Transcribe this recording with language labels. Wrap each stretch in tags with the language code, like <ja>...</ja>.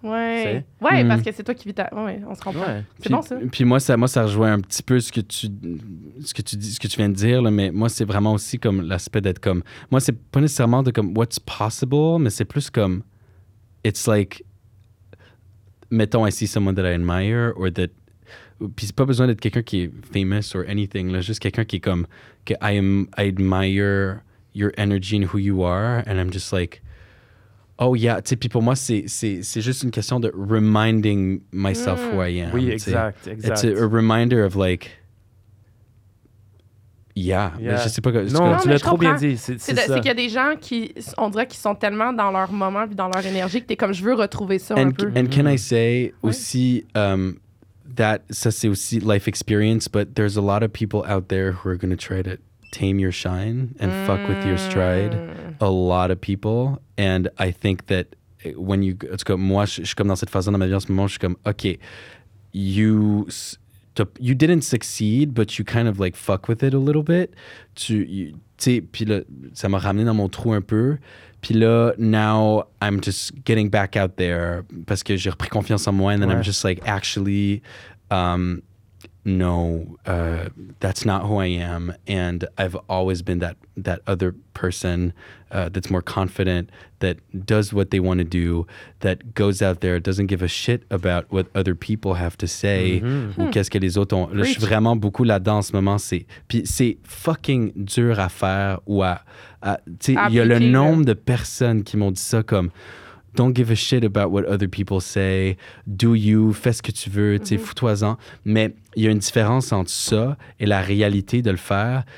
<fr>Ouais, parce que c'est toi qui vis ta... Ouais, on se comprend. Ouais. C'est puis, bon, ça. Puis moi, ça rejoint un petit peu ce que tu viens de dire, là, mais moi, c'est vraiment aussi comme l'aspect d'être comme... Moi, c'est pas nécessairement de comme</fr> <en>what's possible,</en> <fr>mais c'est plus comme...</fr> <en>It's like, mettons, I see someone that I admire or that...</en> <fr>Puis c'est pas besoin d'être quelqu'un qui est</fr> <en>famous or anything.</en> <fr>Là, juste quelqu'un qui est comme, que</fr> <en>I admire your energy and who you are. And I'm just like, oh yeah.</en> <fr>T'sais, puis pour moi, c'est juste une question de</fr> <en>reminding myself who I am.</en> <fr>Oui, exact.</fr> <en>It's a reminder of like, yeah.</en> <fr>Mais je sais pas. Non, tu l'as trop bien dit. C'est qu'il y a des gens qui, on dirait qu'ils sont tellement dans leur moment et dans leur énergie que t'es comme, je veux retrouver ça</fr> <en>and</en> <fr>un peu.</fr> <en>And can I say aussi, that,</en> <fr>ça c'est aussi</fr> <en>life experience, but there's a lot of people out there who are going to try to tame your shine and fuck with your stride. A lot of people. And I think that when you,</en> <fr>en tout cas, moi, je suis comme</fr> <en>dans cette phase dans ma vie en ce moment, je suis comme, OK, you didn't succeed, but you kind of like fuck with it a little bit.</en> <fr>Tu sais, puis là, ça m'a ramené dans mon trou un peu. Puis là,</fr> <en>now I'm just getting back out there</en> <fr>parce que j'ai repris confiance en moi.</fr> <en>And then I'm just like, actually, that's not who I am. And I've always been that other person that's more confident, that does what they want to do, that goes out there, doesn't give a shit about what other people have to say</en> <fr>ou qu'est-ce que les autres ont. Là, je suis vraiment beaucoup là-dedans en ce moment. Puis c'est fucking dur à faire ou à tu sais, il y a le nombre de personnes qui m'ont dit ça comme «</fr> <en>Don't give a shit about what other people say. Do you.</en> <fr>Fais ce que tu veux. Mm-hmm. Fous-toi-en. » Mais il y a une différence entre ça et la réalité de le faire.</fr>